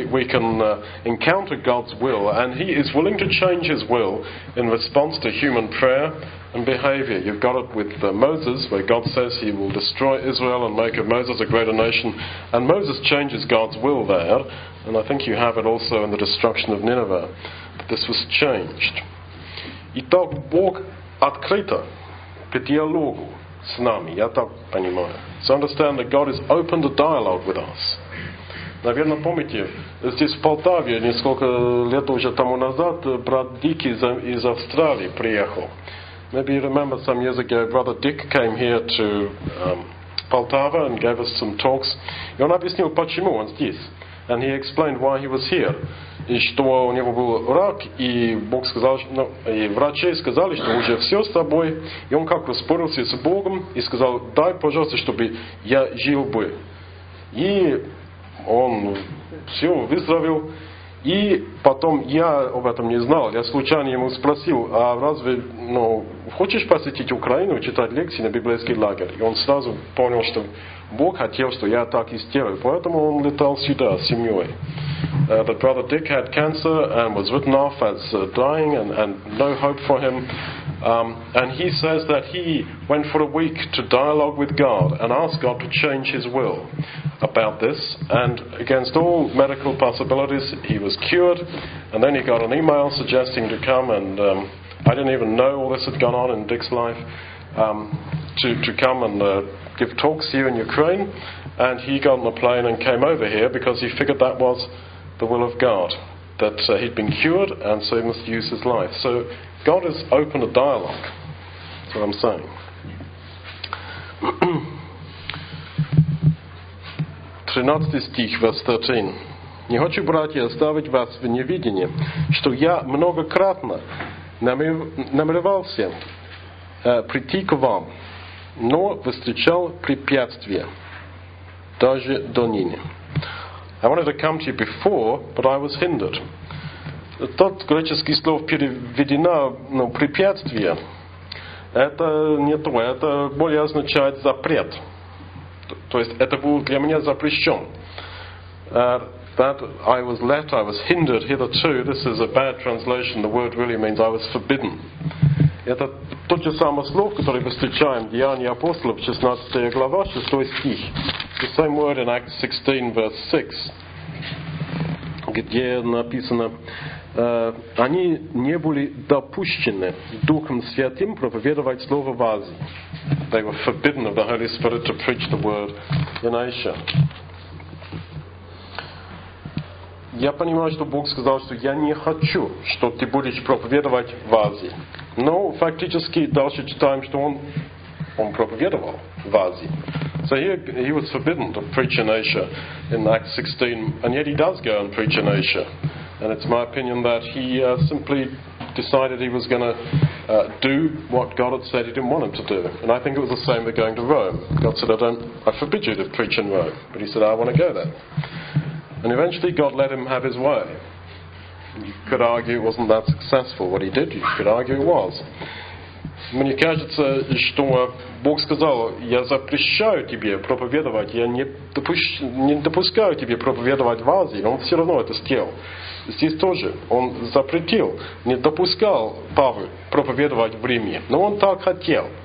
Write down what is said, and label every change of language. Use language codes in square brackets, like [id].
[en] We can encounter God's will, and He is willing to change His will in response to human prayer and behavior. You've got it with Moses, where God says He will destroy Israel and make of Moses a greater nation, and Moses changes God's will there. And I think you have it also in the destruction of Nineveh. But this was changed. [ru] Итак, Бог открыто к диалогу с нами, я так понимаю. [en] So understand that God is open to dialogue with us. [ru] Наверное, помните, здесь в Полтаве, несколько лет уже тому назад, брат Дик из Австралии приехал. [en] Maybe you remember some years ago, brother Dick came here to Poltava and gave us some talks. [ru] И он объяснил, почему он здесь. [en] And he explained why he was here. [ru] И что у него был рак, и Бог сказал, и врачи сказали, что уже все с тобой. И он как бы спорился с Богом и сказал, дай, пожалуйста, чтобы я жил бы. И он все выздоровел. И потом я об этом не знал, я случайно ему спросил, а разве, хочешь посетить Украину, читать лекции на библейский лагерь? И он сразу понял, что Бог хотел, что я так и сделаю. Поэтому он летал сюда с семьей. [en] That brother Dick had cancer and was written off as dying and no hope for him. And he says that he went for a week to dialogue with God and ask God to change his will about this. And against all medical possibilities, he was cured. And then he got an email suggesting to come. And I didn't even know all this had gone on in Dick's life. To come and give talks here in Ukraine. And he got on a plane and came over here because he figured that was the will of God, that he'd been cured, and so he must use his life. So God is open to dialogue. That's what I'm saying. [ru] Тринадцатый стих, [en] verse 13. [ru] Не хочу, братья, оставить вас в неведении, что я многократно намеревался прийти к вам, но встречал препятствия даже до ныне. [en] I wanted to come to you before, but I was hindered. [ru] Тот греческий слов переведено, препятствие. Это не то, это более означает запрет. То есть это был для меня запрещен. [en] That I was let, I was hindered hitherto. This is a bad translation. The word really means I was forbidden. [ru] Это тот же самый слов, который мы встречаем в Деяниях апостолов, 16 глава, 6 стих. [en] The same word in Acts 16, verse 6. [ru] Где написано, они не были допущены Духом Святым проповедовать Слово в Азии. [en] They were forbidden of the Holy Spirit to preach the word in Asia. [ru] Я понимаю, что Бог сказал, что я не хочу, что ты будешь проповедовать в Азии. Но фактически дальше читаем, что Он проповедовал в Азии. [en] So he was forbidden to preach in Asia in Acts 16, and yet he does go and preach in Asia. And it's my opinion that he simply decided he was going to do what God had said he didn't want him to do. And I think it was the same with going to Rome. God said, I forbid you to preach in Rome. But he said, I want to go there. And eventually God let him have his way. You could argue it wasn't that successful what he did. You could argue it was. [ru] Мне кажется, что Бог сказал, я запрещаю тебе проповедовать, я не допускаю тебе проповедовать в Азии. Он все равно это сделал. Здесь тоже он запретил, не допускал Павла проповедовать в Риме. Но он так хотел.